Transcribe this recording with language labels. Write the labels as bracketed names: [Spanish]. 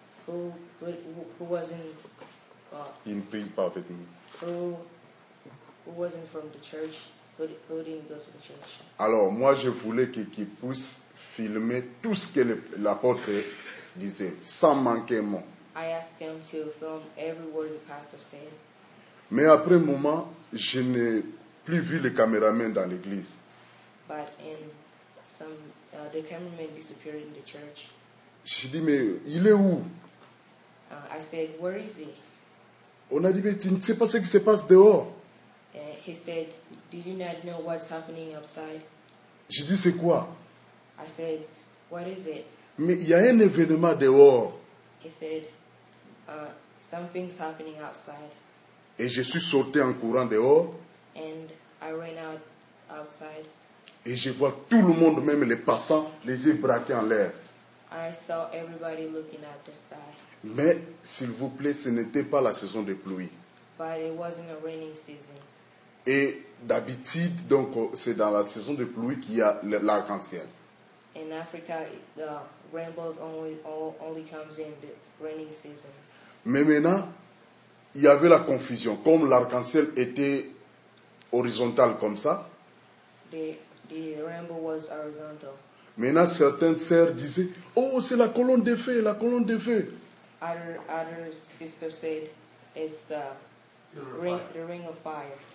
[English] Who wasn't. [French] Il ne prie pas avec nous. [English] Who wasn't from the church. Who didn't go to the church. [French] Alors, moi, je voulais qu'il puisse filmer tout ce que l'apôtre disait, sans manquer un mot. [English] I asked him to film every word the pastor said. [French] Mais après un moment, je n'ai plus vu le caméraman dans l'église. [English] But in the cameraman disappeared in the church. [French] J'ai dit, mais il est où? [English] I said, where is he? [French] On a dit, mais tu ne sais pas ce qui se passe dehors. [English] He said, do you not know what's happening outside? [French] J'ai dit, c'est quoi? [English] I said, what is it? [French] Mais il y a un événement dehors. [English] He said, something's happening outside. [French] Et je suis sorti en courant dehors. [English] And I ran out outside. [French] Et je vois tout le monde, même les passants, les yeux braqués en l'air. [English] I saw everybody looking at the sky. [French] Mais, s'il vous plaît, ce n'était pas la saison de pluie. [English] But it wasn't a raining season. [French] Et d'habitude, donc, c'est dans la saison de pluie qu'il y a l'arc-en-ciel. [English] In Africa, the rainbows only comes in the raining season. [French] Mais maintenant, il y avait la confusion. Comme l'arc-en-ciel était horizontal comme ça, [English] the rainbow was horizontal. [French] Maintenant, certaines sœurs disaient, oh, c'est la colonne de feu, la colonne de feu. [English] Other sisters said, it's the ring of fire.